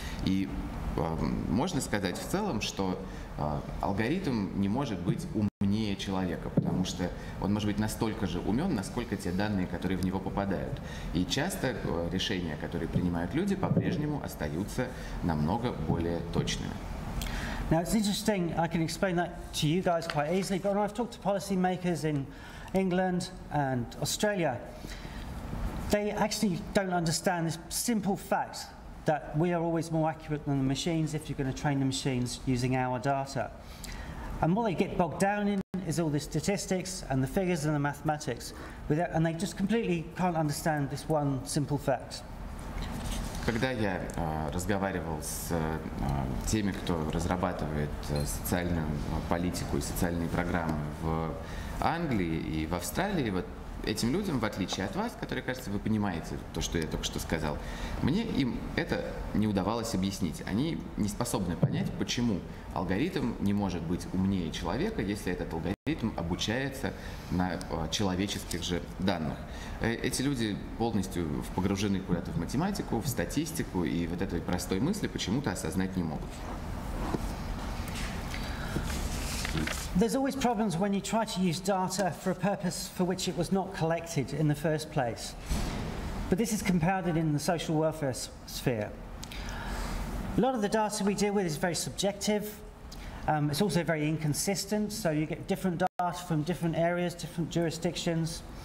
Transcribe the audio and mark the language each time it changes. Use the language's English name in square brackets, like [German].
[Russian] И можно сказать в целом, что алгоритм не может быть умнее человека, потому что он может быть настолько же умен, насколько те данные, которые в него попадают. И часто решения, которые принимают люди, по-прежнему остаются намного более точными. [English] Now it's interesting, I can explain that to you guys quite easily, but when I've talked to policymakers in England and Australia, they actually don't understand this simple fact that we are always more accurate than the machines if you're going to train the machines using our data. And what they get bogged down in is all the statistics and the figures and the mathematics, without, and they just completely can't understand this one simple fact. [Russian] Когда я разговаривал с теми, кто разрабатывает социальную политику и социальные программы в Англии и в Австралии, вот этим людям, в отличие от вас, которые, кажется, вы понимаете то, что я только что сказал, мне им это не удавалось объяснить. Они не способны понять, почему алгоритм не может быть умнее человека, если этот алгоритм обучается на человеческих же данных. Эти люди полностью погружены куда-то в математику, в статистику, и вот этой простой мысли почему-то осознать не могут. [English] There's always problems when you try to use data for a purpose for which it was not collected in the first place. But this is compounded in the social welfare sphere. A lot of the data we deal with is very subjective. It's also very inconsistent, so you get different data from different areas, different jurisdictions.